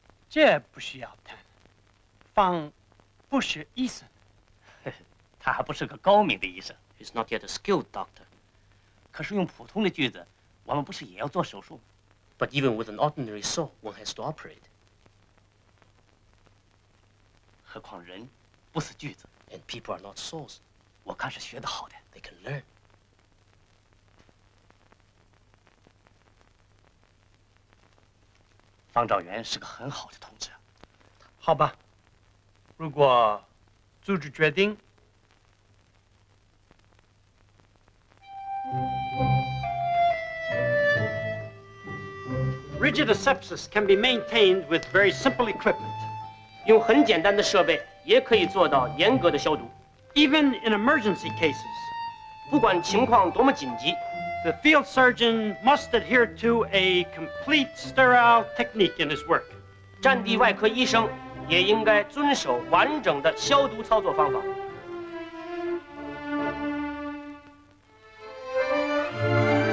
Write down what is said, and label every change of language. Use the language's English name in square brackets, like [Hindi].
[Chinese] 这不需要谈，方不是医生，他还不是个高明的医生。 [English] He's not yet a skilled doctor。 [Chinese] 可是用普通的句子，我们不是也要做手术吗？ [English] But even with an ordinary saw, one has to operate. [Chinese] 何况人不是锯子。 [English] And people are not saws. [Chinese] 我看是学得好的。 [English] They can learn. [Chinese] 方兆元是个很好的同志。好吧，如果组织决定。 [English] Rigid asepsis can be maintained with very simple equipment. [Chinese] 用很简单的设备也可以做到严格的消毒。 [English] Even in emergency cases, [Chinese] 不管情况多么紧急 [English] the field surgeon must adhere to a complete sterile technique in his work. [Chinese] 战地外科医生也应该遵守完整的消毒操作方法。